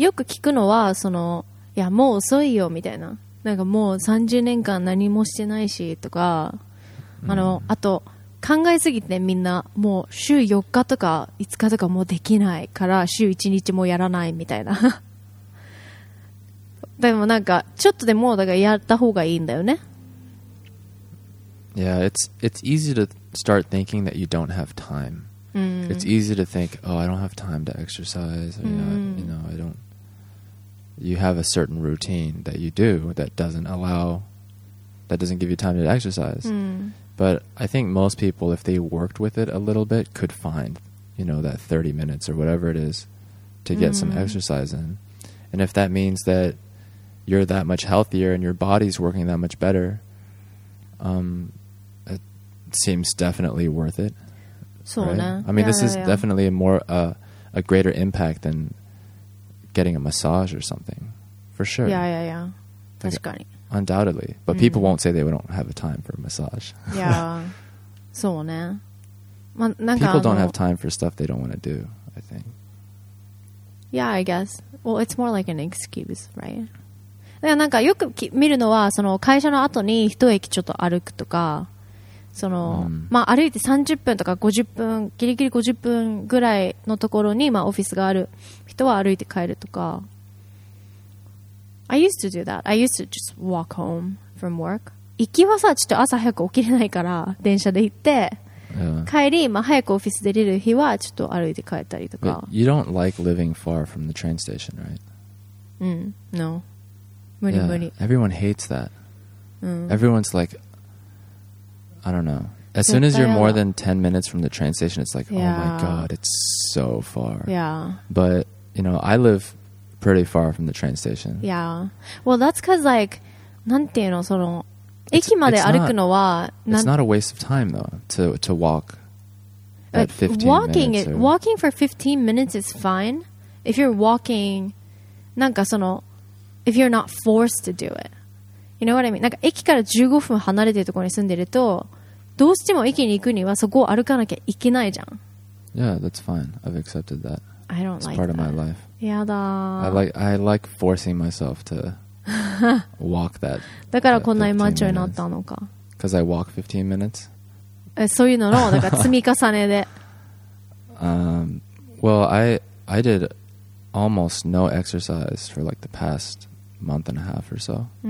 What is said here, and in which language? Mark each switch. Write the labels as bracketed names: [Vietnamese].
[Japanese] よく聞くのはそのいやもう遅いよみたいな、なんかもう30年間何もしてないしとか、あの、あと考えすぎてみんなもう週4日とか5日とかもうできないから週1日もやらないみたいな。でもなんかちょっとでもだからやった方がいいんだよね。 [English] Yeah, it's easy to start thinking that you don't have time. It's easy to think, oh, I don't have time to exercise. Or, you know, I don't, you have a certain routine that you do that doesn't allow, that doesn't give you time to exercise. Mm. But I think most people, if they worked with it a little bit, could find, you know, that 30 minutes or whatever it is to get some exercise in. And if that means that you're that much healthier and your body's working that much better, it seems definitely worth it. So, right? This is definitely a more, a greater impact than getting a massage or something, for sure. Yeah. That's got it. Undoubtedly. But people won't say they don't have a time for a massage. Yeah. So, ne. People don't have time for stuff they don't want to do, I think. Yeah, I guess. Well, it's more like an excuse, right? [Japanese] でなんかよく見るのはその会社の後に一駅ちょっと歩くとかその、まあ、歩いて30分とか50分ギリギリ50分ぐらいのところに、まあ、オフィスがある人は歩いて帰るとか [English] I used to do that. I used to just walk home from work. [Japanese] 行きはさちょっと朝早く起きれないから電車で行って、帰り、まあ、早くオフィス出れる日はちょっと歩いて帰ったりとか [English] But You don't like living far from the train station, right? No. Yeah, everyone hates that. Everyone's like, I don't know. As soon as you're more than 10 minutes from the train station, it's like, oh my God, it's so far. Yeah. But, you know, I live pretty far from the train station. Yeah. Well, that's because, like, [Japanese] なんていうの、その、駅まで歩くのは、 [English] It's not a waste of time, though, to walk at 15 walking minutes. Walking for 15 minutes is fine. If you're walking, [Japanese] なんかその、 [English] If you're not forced to do it. You know what I mean? [Japanese] なんか駅から15分離れてるところに住んでるとどうしても駅に行くにはそこを歩かなきゃいけないじゃん。 [English] Yeah, that's fine. I've accepted that. I don't like that. It's part of my life. [Japanese] やだ。 [English] I like forcing myself to walk that. [Japanese] だからこんなにマッチョになったのか。 [English] Because I walk 15 minutes? [Japanese] そういうのの、なんか積み重ねで。 [English] Well, I did... almost no exercise for like the past month and a half or so.